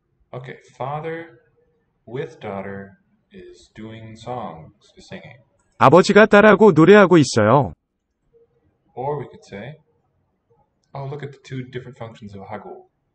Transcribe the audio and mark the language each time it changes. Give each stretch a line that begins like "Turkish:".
English: Okay, father with daughter is doing songs, singing.
Korean: 아버지가 딸하고 노래하고 있어요.
English: Or we could say, oh, look at the two different functions of 하고.